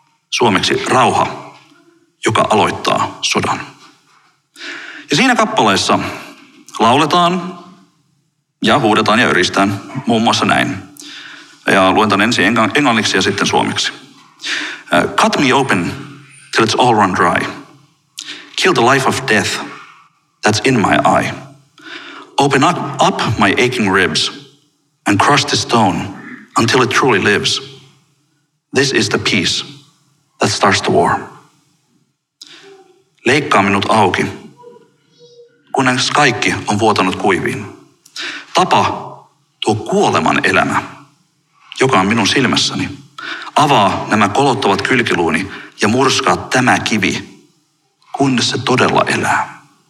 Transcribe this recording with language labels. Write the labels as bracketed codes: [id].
[fi] Suomeksi rauha, joka aloittaa sodan. Ja siinä kappaleessa lauletaan ja huudetaan ja yristään muun muassa näin. Ja luen tämän ensin englanniksi ja sitten suomeksi. [en] Cut me open till it's all run dry. Kill the life of death that's in my eye. Open up my aching ribs and crush the stone until it truly lives. This is the peace that starts the war. [fi] Leikkaa minut auki, kunnes kaikki on vuotanut kuiviin. Tapa tuo kuoleman elämä, joka on minun silmässäni. Avaa nämä kolottavat kylkiluuni ja murskaa tämä kivi, kunnes se todella elää.